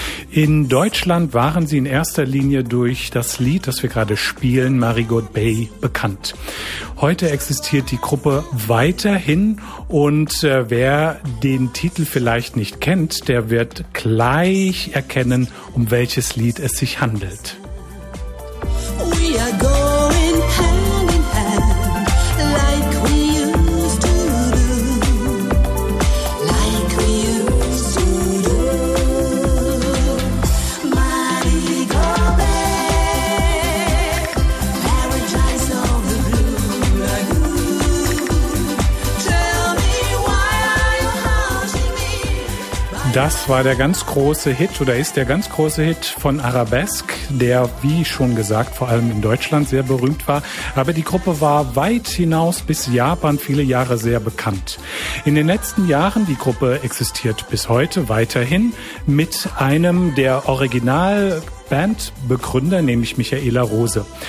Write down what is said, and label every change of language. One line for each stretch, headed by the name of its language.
German: In Deutschland waren sie in erster Linie durch das Lied, das wir gerade spielen, Marigold Bay, bekannt. Heute existiert die Gruppe weiterhin und wer den Titel vielleicht nicht kennt, der wird gleich erkennen, um welches Lied es sich handelt.
English: We are going hand in hand, like we used to do, like we used to do. Marigold Bay, paradise of the blue lagoon. Tell me, why are you haunting me?
German: Das war der ganz große Hit, oder ist der ganz große Hit von Arabesque, der, wie schon gesagt, vor allem in Deutschland sehr berühmt war. Aber die Gruppe war weit hinaus bis Japan viele Jahre sehr bekannt. In den letzten Jahren, die Gruppe existiert bis heute weiterhin, mit einem der Original-Band-Begründer, nämlich Michaela Rose.